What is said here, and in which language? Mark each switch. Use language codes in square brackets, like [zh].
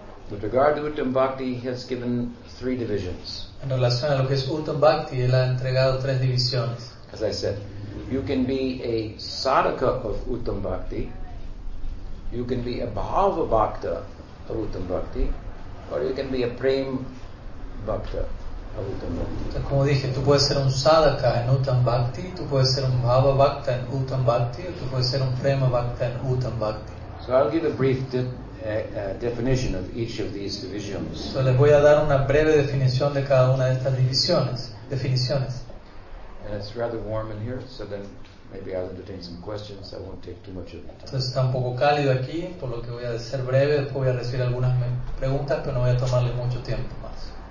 [en] With regard to Uttam Bhakti, he has given three divisions. [es] En relación a lo que es Uttam Bhakti, él ha entregado tres divisiones. [en] As I said, you can be a sadhaka of Uttam Bhakti, you can be a bhava bhakta of Uttam Bhakti, or you can be a prem bhakta of Uttam Bhakti. [es] Entonces, como dije, tú puedes ser un sadhaka en Uttam Bhakti, tú puedes ser un bhava bhakta en Uttam Bhakti, o tú puedes ser un prema bhakta en Uttam Bhakti. [en] So I'll give a brief definition of each of these divisions. [es] So les voy a dar una breve definición de cada una de estas divisiones. Definiciones. [en] And it's rather warm in here, so then maybe I'll entertain some questions. I won't take too much of your time. [es] Entonces está un poco cálido aquí, por lo que voy a ser breve. Después voy a recibir algunas preguntas, pero no voy a tomarle mucho tiempo más.